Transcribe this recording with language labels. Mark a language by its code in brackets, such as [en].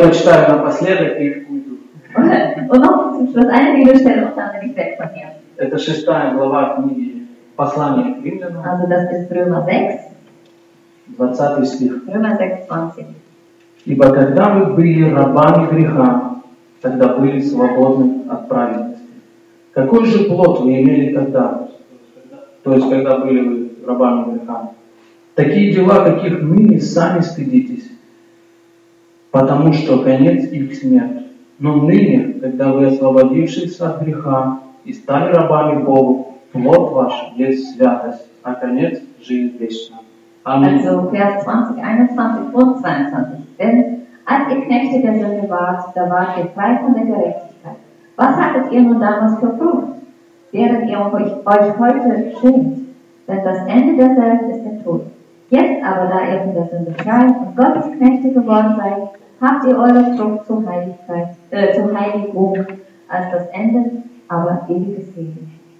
[de] ohne diese werden wir dich ja nicht schauen. Und noch zum Schluss eine Bibelstelle und dann bin ich weg von hier. [ru] Это шестая глава книги Послания к Римлянам. [de] Also das ist Römer 6. [ru] 20 стих. [de] Römer 6, 20. [ru] Ибо когда мы были рабами греха, тогда были свободны от праведности. Какой же плод вы имели тогда? То есть когда были вы рабами греха? Такие дела, каких ныне, сами стыдитесь, потому что конец их смерть. Но ныне, когда вы освободившись от греха и стали рабами Богу, плод ваш есть святость, а конец – жизнь вечна. [de] Аминь. Also, Vers 20, 21 und 22. Denn als ihr Knechte der Sünde wart, da wart ihr frei von der Gerechtigkeit. Was hattet ihr nun damals verflucht, während ihr euch heute schämt? Denn das Ende der Welt ist der Tod. Jetzt aber, da ihr von der Sünde frei und Gottes Knechte geworden seid, habt ihr eure Frucht zur Heiligkeit, zur Heiligung, als das Ende, aber ewiges Leben.